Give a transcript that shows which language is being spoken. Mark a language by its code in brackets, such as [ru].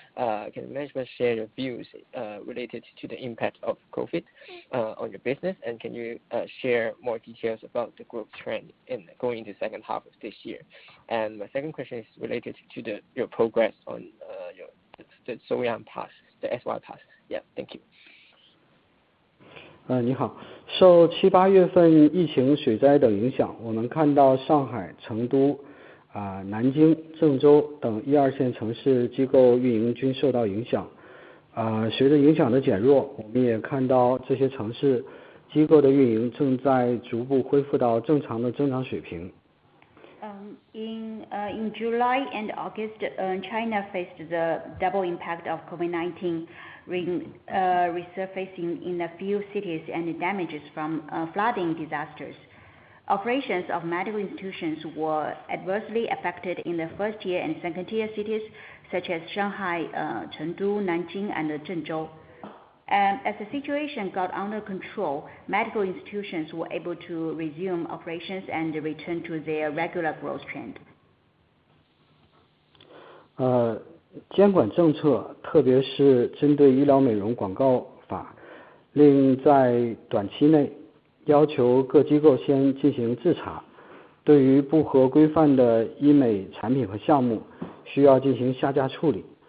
[en] Can management share your views related to the impact of COVID on your business? And can you share more details about the growth trend in going into the second half of this year? And my second question is related to the your progress on the Soyang Pass, the SY Pass. Yeah, thank you. [zh] 你好，受七八月份疫情水灾等影响，我们看到上海、成都、南京、郑州等一二线城市机构运营均受到影响。随着影响的减弱，我们也看到这些城市机构的运营正在逐步恢复到正常的增长水平。 [en] In July and August, China faced the double impact of COVID-19. Resurfacing in a few cities and damages from flooding disasters. Operations of medical institutions were adversely affected in the first tier and second tier cities such as Shanghai, Chengdu, Nanjing, and Zhengzhou. And as the situation got under control, medical institutions were able to resume operations and return to their regular growth trend. [zh] 监管政策，特别是针对医疗美容广告法，令在短期内要求各机构先进行自查，对于不合规范的医美产品和项目需要进行下架处理。